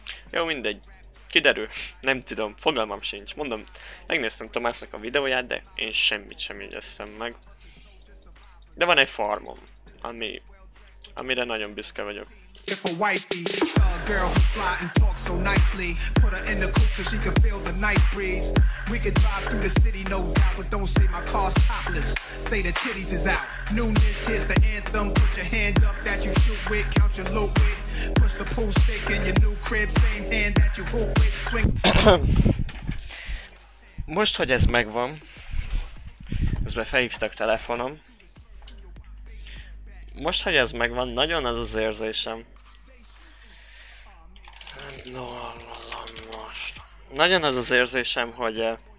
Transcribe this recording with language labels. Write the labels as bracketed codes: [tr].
[hu] Jó, mindegy. Kiderül. Nem tudom, fogalmam sincs. Mondom, megnéztem Tomásnak a videóját, de én semmit sem igyeztem meg. De van egy farmom, ami... amire nagyon büszke vagyok. [en] If a wifey, girl who fly and talk so nicely, put her in the coupe so she can feel the night breeze. We could drive through the city, no doubt, but don't say my car's topless. Say the titties is out. Newness, here's the anthem. Put your hand up that you shoot with, count your loot with. Push the pool stick in your new crib, same hand that you hook with. Swing. [hu] Most, hogy ez megvan, közben felhívtak telefonom. Most, hogy ez megvan, nagyon az az érzésem. Nem dolgozom most. Nagyon az az érzésem, hogy...